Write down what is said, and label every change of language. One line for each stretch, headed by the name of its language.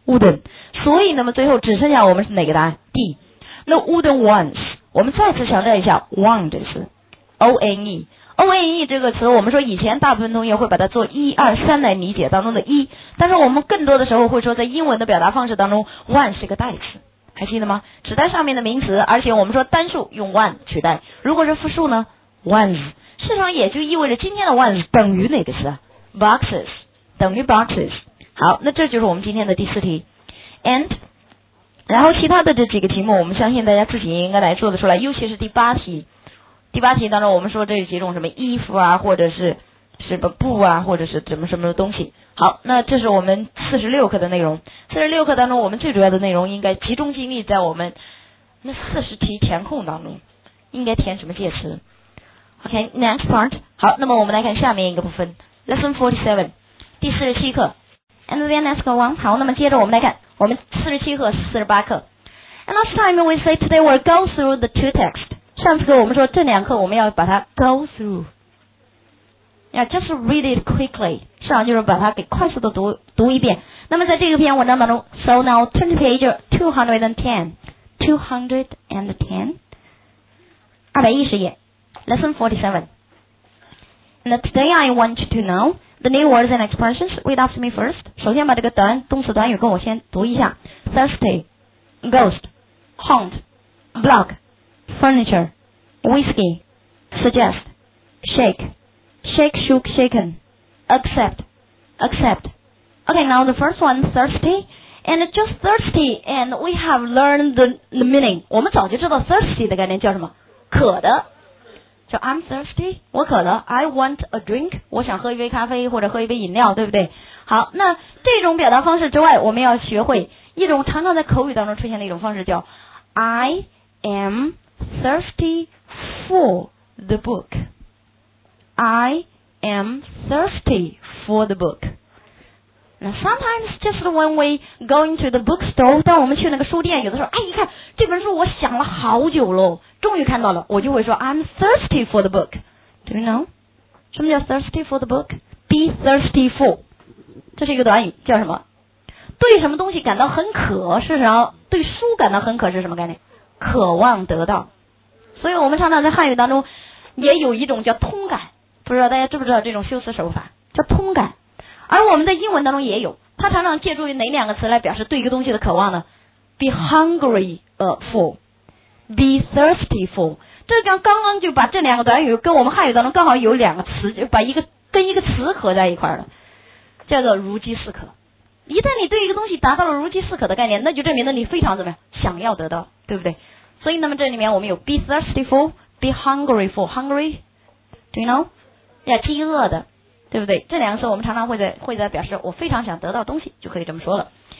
Chinese: wooden, 所以那么最后只剩下我们是哪个答案？D,
English: the wooden ones,
Chinese: 我们再次强调一下 one 这个词， O-N-E 这个词我们说以前大部分同学会把它做一二三来理解当中的一，但是我们更多的时候会说在英文的表达方式当中 one 是个代词，还记得吗？指代上面的名词，而且我们说单数用 one 取代，如果是复数呢 ones, 事实上也就意味着今天的 ones 等于哪个词啊？
English: boxes,
Chinese: 等于
English: boxes。
Chinese: 好，那这就是我们今天的第四题。And 然后其他的这几个题目我们相信大家自己应该来做得出来，尤其是第八题。第八题当中我们说这几种什么衣服啊，或者是什么布啊，或者是什么什么的东西。好，那这是我们46课的内容。46课当中我们最主要的内容应该集中精力在我们那40题填空当中，应该填什么介词。
English: OK, next part.
Chinese: 好，那么我们来看下面一个部分 Lesson 47, 第47课。
English: And then let's go on.
Chinese: 好，那么接着我们来看我们47和48课。
English: And last time we say today we'll go through the two texts.
Chinese: 上次我们说这两课我们要把它
English: go through. Yeah, just read it quickly.
Chinese: 上就是把它给快速的 读一遍。那么在这个篇文章当中
English: So now turn to page 210. 210页 Lesson 47. And today I want you to know the new words and expressions. Read after me first.
Chinese: 首先把这个短动词短语跟我先读一下
English: Thirsty, ghost, haunt, block, furniture, whiskey, suggest, shake, shake, shook, shaken, accept, accept. Okay, now the first one, thirsty. And just thirsty, and we have learned the meaning.
Chinese: 我们早就知道 thirsty 的概念叫什么？渴的。
English: So I'm thirsty,
Chinese: 我渴了。
English: I want a drink,
Chinese: 我想喝一杯咖啡或者喝一杯饮料，对不对？好，那这种表达方式之外，我们要学会一种常常在口语当中出现的一种方式，叫
English: I am thirsty for the book. I am thirsty for the book. Now, sometimes just when we go into the bookstore,
Chinese: 当我们去那个书店，有的时候，哎，一看这本书，我想了好久喽，终于看到了，我就会说
English: I'm thirsty for the book. Do you know?
Chinese: 什么叫 thirsty for the book?
English: Be thirsty for.
Chinese: 这是一个短语，叫什么？对什么东西感到很渴，是什么？对书感到很渴是什么概念？渴望得到。所以我们常常在汉语当中也有一种叫通感，不知道大家知不知道这种修辞手法，叫通感。而我们在英文当中也有，它常常借助于哪两个词来表示对一个东西的渴望呢 ？
English: Be hungry for, be thirsty for。
Chinese: 这刚刚就把这两个短语跟我们汉语当中刚好有两个词，就把一个跟一个词合在一块了，叫做如饥似渴。一旦你对一个东西达到了如饥似渴的概念，那就证明了你非常怎么样，想要得到，对不对？所以那么这里面我们有
English: be thirsty for, be hungry for, hungry, do you know?
Chinese: 要饥饿的。对不对？这两个词我们常常会在表示我非常想得到东西，就可以这么说了。